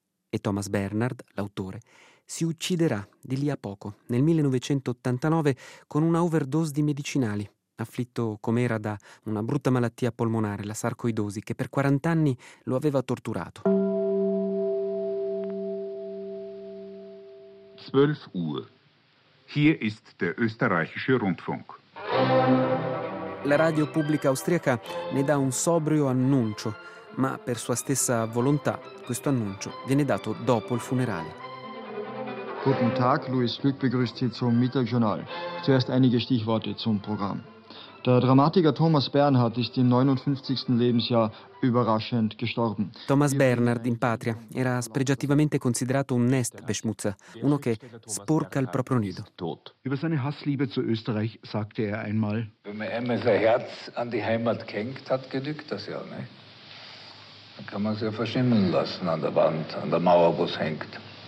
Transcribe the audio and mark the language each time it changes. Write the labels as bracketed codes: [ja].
[it] E Thomas Bernhard, l'autore, si ucciderà di lì a poco, nel 1989, con una overdose di medicinali, afflitto com'era da una brutta malattia polmonare, la sarcoidosi, che per 40 anni lo aveva torturato. [de] 12 Uhr. Hier ist der österreichische Rundfunk. [it] La radio pubblica austriaca ne dà un sobrio annuncio, ma per sua stessa volontà questo annuncio viene dato dopo il funerale. [de] Guten Tag, Louis Glück begrüßt Sie zum Mittagsjournal. Zuerst einige Stichworte zum Programm. Der Dramatiker Thomas Bernhard ist im 59. Lebensjahr überraschend gestorben. [it] Thomas Bernhard in patria era spregiativamente considerato un Nestbeschmutzer, uno che sporca il proprio nido. [de] Über seine Hassliebe zu Österreich sagte er einmal: Wenn man einmal sein Herz an die Heimat gehängt hat, genügt das ja, ne? Dann kann man es ja verschimmeln lassen an der Wand, an der Mauer, wo es hängt.